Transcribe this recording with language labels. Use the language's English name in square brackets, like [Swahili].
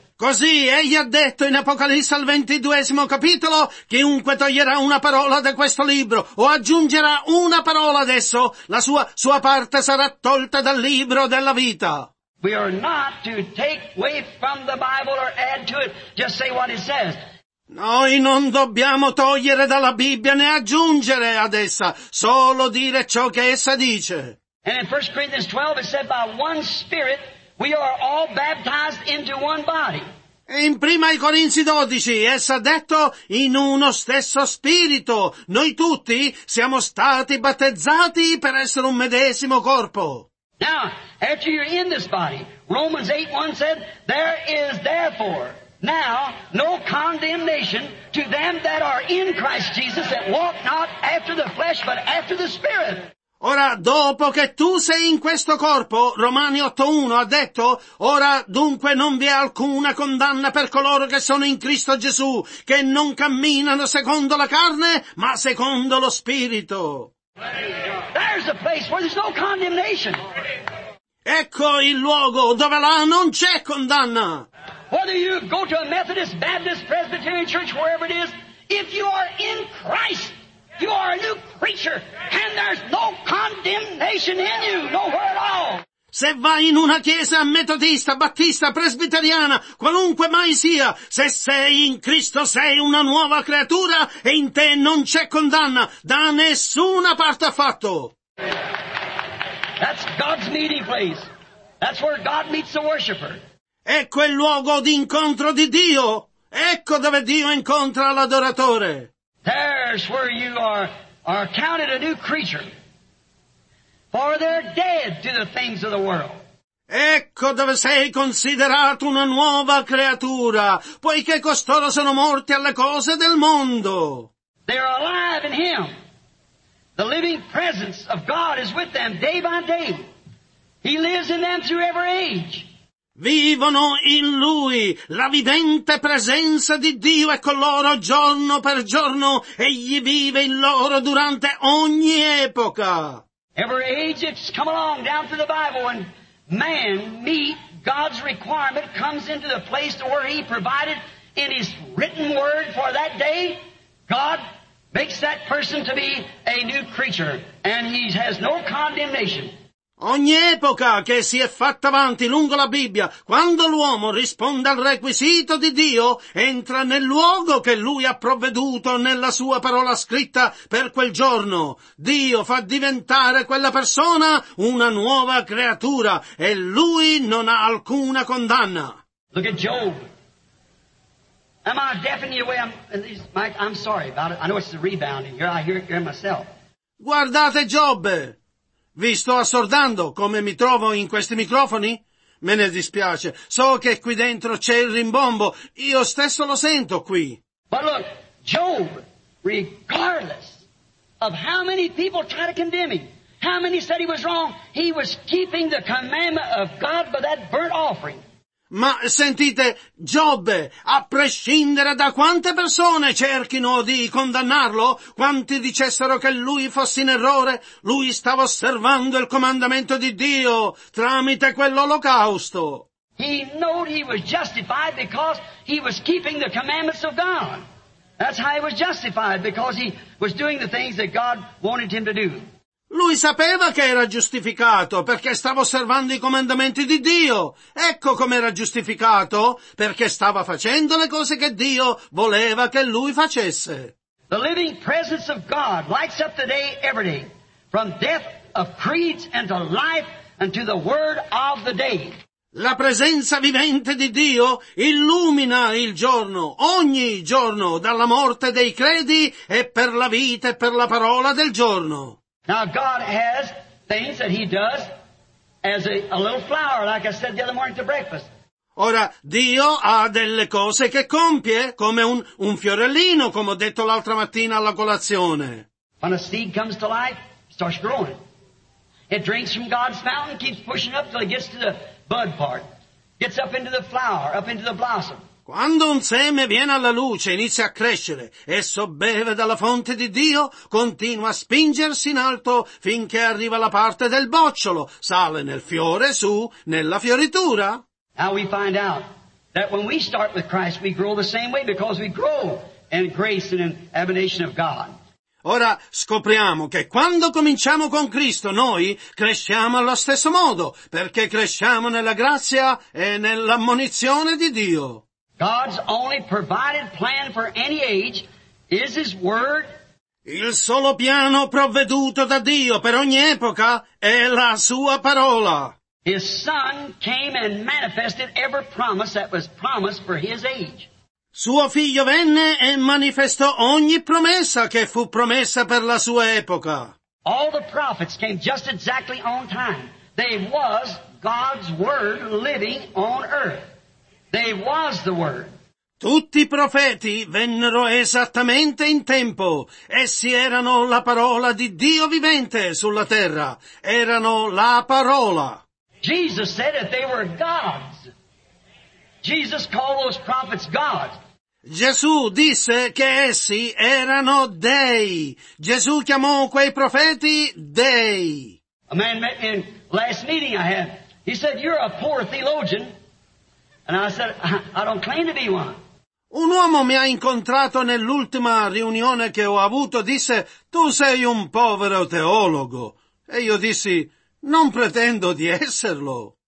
[Italian] Così egli ha detto in Apocalisse al 22° capitolo, chiunque toglierà una parola da questo libro o aggiungerà una parola ad esso, la sua parte sarà tolta dal libro della vita. [English] We are not to take away from the Bible or add to it, just say what it says. [Italian] Noi non dobbiamo togliere dalla Bibbia né aggiungere ad essa, solo dire ciò che essa dice. [English] And in 1 Corinthians 12 it said by one spirit we are all baptized into one body. [Italian] E in Prima ai Corinzi 12, essa ha detto, in uno stesso spirito, noi tutti siamo stati battezzati per essere un medesimo corpo. [English] Now, after you're in this body, Romans 8:1 said, there is therefore now no condemnation to them that are in Christ Jesus that walk not after the flesh but after the Spirit. [Italian] Ora, dopo che tu sei in questo corpo, Romani 8:1 ha detto, ora dunque non vi è alcuna condanna per coloro che sono in Cristo Gesù, che non camminano secondo la carne, ma secondo lo Spirito. [English] There's a place where there's no condemnation. [Italian] Ecco il luogo dove là non c'è condanna. [English] Whether you go to a Methodist, Baptist, Presbyterian church, wherever it is, if you are in Christ, you are a new creature, and there's no condemnation in you, nowhere at all. [Italian] Se vai in una chiesa metodista, battista, presbiteriana, qualunque mai sia, se sei in Cristo sei una nuova creatura e in te non c'è condanna da nessuna parte affatto. [English] That's God's meeting place. That's where God meets the worshiper. [Italian] Ecco il luogo di incontro di Dio. Ecco dove Dio incontra l'adoratore. [English] There's where you are counted a new creature, for they're dead to the things of the world. [Italian] Ecco dove sei considerato una nuova creatura, poiché costoro sono morti alle cose del mondo. [English] They're alive in Him. The living presence of God is with them day by day. He lives in them through every age. [Italian] Vivono in Lui, la vivente presenza di Dio è con loro giorno per giorno, egli vive in loro durante ogni epoca. [English] Every age it's come along down through the Bible when man meet God's requirement comes into the place where He provided in His written word for that day, God makes that person to be a new creature, and he has no condemnation. [Italian] Ogni epoca che si è fatta avanti lungo la Bibbia, quando l'uomo risponde al requisito di Dio, entra nel luogo che lui ha provveduto nella sua parola scritta per quel giorno. Dio fa diventare quella persona una nuova creatura e lui non ha alcuna condanna. [English] Look at Job. Am I deafening you away? I'm sorry about it. I know it's the rebound in here. I hear it here myself. [Italian] Guardate Giobbe. Vi sto assordando come mi trovo in questi microfoni? Me ne dispiace. So che qui dentro c'è il rimbombo. Io stesso lo sento qui. [English] But look, Job, regardless of how many people try to condemn him, how many said he was wrong, he was keeping the commandment of God by that burnt offering. [Italian] Ma sentite, Giobbe, a prescindere da quante persone cerchino di condannarlo, quanti dicessero che lui fosse in errore, lui stava osservando il comandamento di Dio tramite quell'olocausto. [English] He knew he was justified because he was keeping the commandments of God. That's how he was justified, because he was doing the things that God wanted him to do. [Italian] Lui sapeva che era giustificato perché stava osservando i comandamenti di Dio. Ecco com'era giustificato, perché stava facendo le cose che Dio voleva che lui facesse. [English] The living presence of God lights up the day every day, from death of creeds and to life and to the word of the day. [Italian] La presenza vivente di Dio illumina il giorno, ogni giorno, dalla morte dei credi e per la vita e per la parola del giorno. [English] Now God has things that he does as a little flower, like I said the other morning to breakfast. [Italian] Ora, Dio ha delle cose che compie, come un fiorellino, come ho detto l'altra mattina alla colazione. [English] When a seed comes to life, it starts growing. It drinks from God's fountain, keeps pushing up till it gets to the bud part. Gets up into the flower, up into the blossom. [Italian] Quando un seme viene alla luce, inizia a crescere, esso beve dalla fonte di Dio, continua a spingersi in alto finché arriva alla parte del bocciolo, sale nel fiore, su, nella fioritura. [English] Now we find out that when we start with Christ, we grow the same way because we grow in grace and in admonition of God. [Italian] Ora scopriamo che quando cominciamo con Cristo noi cresciamo allo stesso modo, perché cresciamo nella grazia e nell'ammonizione di Dio. [English] God's only provided plan for any age is His Word. [Italian] Il solo piano provveduto da Dio per ogni epoca è la Sua parola. [English] His Son came and manifested every promise that was promised for His age. [Italian] Suo Figlio venne e manifestò ogni promessa che fu promessa per la sua epoca. [English] All the prophets came just exactly on time. They was God's Word living on earth. They was the Word. [Italian] Tutti i profeti vennero esattamente in tempo. Essi erano la parola di Dio vivente sulla terra. Erano la parola. [English] Jesus said that they were gods. Jesus called those prophets gods. [Italian] Gesù disse che essi erano dei. Gesù chiamò quei profeti dei. [English] A man met me in last meeting I had. He said, "You're a poor theologian." And I said, "I don't claim to be one." [Italian] Un uomo mi ha incontrato nell'ultima riunione che ho avuto, disse, "Tu sei un povero teologo." E io dissi, "Non pretendo di esserlo."